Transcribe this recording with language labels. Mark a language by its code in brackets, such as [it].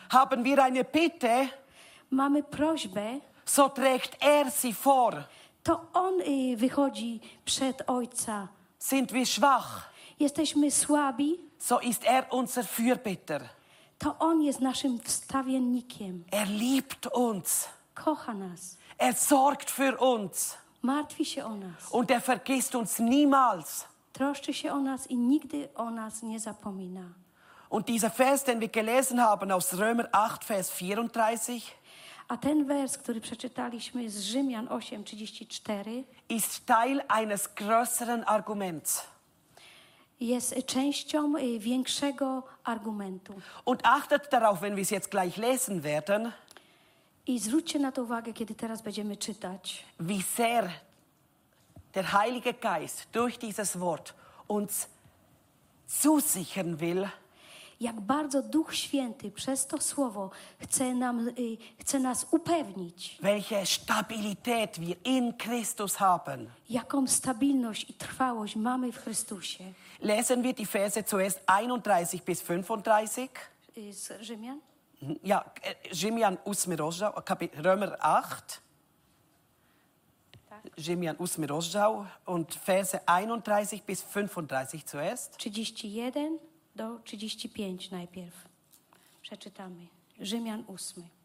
[de] Haben wir eine Bitte? [pl] Mamy prośbę. [de] So trägt er sie vor. [pl] To on wychodzi przed Ojca. [de] Sind wir schwach? [pl] Jesteśmy słabi. [de] So ist er unser Fürbitter. [pl] To on jest naszym wstawiennikiem. [de] Er liebt uns. [pl] Kocha nas. [de] Er sorgt für uns. [pl] Martwi się o nas. [de] Und er vergisst uns niemals. [pl] Troszczy się o nas i nigdy o nas nie zapomina. [de] Und dieser Vers, den wir gelesen haben aus Römer 8, Vers 34, [pl] a ten wers, który przeczytaliśmy z Rzymian 8:34, [de] ist Teil eines größeren Arguments. [pl] Jest częścią większego argumentu. [de] Und achtet darauf, wenn wir es jetzt gleich lesen werden. [pl] I zwróćcie na to uwagę, kiedy teraz będziemy czytać. [de] Wie sehr der Heilige Geist durch dieses Wort uns zusichern will. [pl] Jak bardzo Duch Święty przez to słowo chce nas upewnić. [de] Welche Stabilität wir in Christus haben. [pl] Jaką stabilność i trwałość mamy w Chrystusie. [de] Lesen wir die Verse zuerst 31 bis 35. [pl] Z Rzymian? Ja, Rzymian 8, rozdział, Römer 8. Rzymian 8, rozdział. [de] Und Verse 31 bis 35 zuerst. [pl] 31. Do 35 najpierw. Przeczytamy. Rzymian 8.